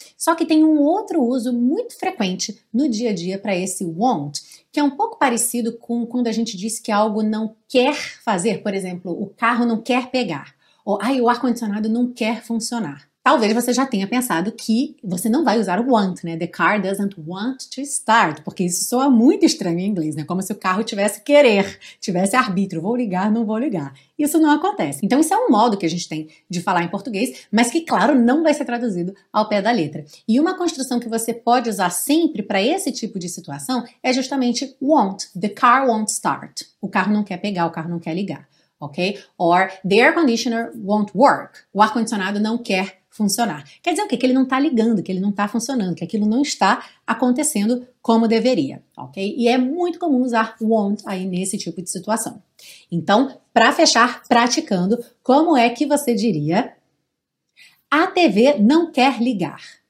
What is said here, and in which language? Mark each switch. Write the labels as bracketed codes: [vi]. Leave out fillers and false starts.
[pt] Só que tem um outro uso muito frequente no dia a dia para esse won't, que é um pouco parecido com quando a gente diz que algo não quer fazer. Por exemplo, o carro não quer pegar. Ou, ai, o ar-condicionado não quer funcionar. Talvez você já tenha pensado que você não vai usar o want, né? [en] The car doesn't want to start. [pt] Porque isso soa muito estranho em inglês, né? Como se o carro tivesse querer, tivesse arbítrio. Vou ligar, não vou ligar. Isso não acontece. Então, isso é um modo que a gente tem de falar em português, mas que, claro, não vai ser traduzido ao pé da letra. E uma construção que você pode usar sempre para esse tipo de situação é justamente won't. [en] The car won't start. [pt] O carro não quer pegar, o carro não quer ligar, ok? [en] Or, the air conditioner won't work. [pt] O ar-condicionado não quer funcionar. Quer dizer o quê? Que ele não está ligando, que ele não está funcionando, que aquilo não está acontecendo como deveria, ok? E é muito comum usar won't aí nesse tipo de situação. Então, para fechar, praticando, como é que você diria a TV não quer ligar?